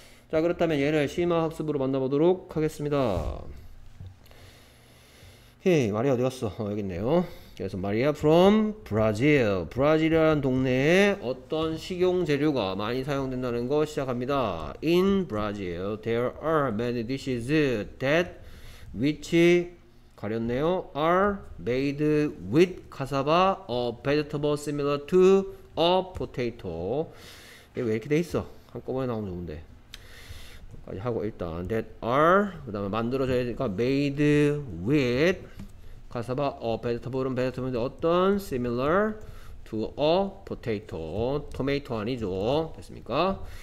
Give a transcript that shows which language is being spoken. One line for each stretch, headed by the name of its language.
Korean: 자 그렇다면 얘를 심화 학습으로 만나보도록 하겠습니다. 헤이 마리아 어디 갔어? 여기 있네요. 그래서 마리아 from 브라질. 브라질이라는 동네에 어떤 식용 재료가 많이 사용된다는 거 시작합니다.
English: In Brazil, there are many dishes that which
Korean: 가렸네요.
English: are made with cassava, a vegetable similar to a potato.
Korean: 이게 왜 이렇게 돼 있어? 한꺼번에 나오면 좋은데. 까지 하고 일단 that are 그다음에 만들어져야 되니까 made with 가사바 어 베지터블은 베지터블인데 어떤
English: similar to a potato, tomato
Korean: 아니죠? 됐습니까?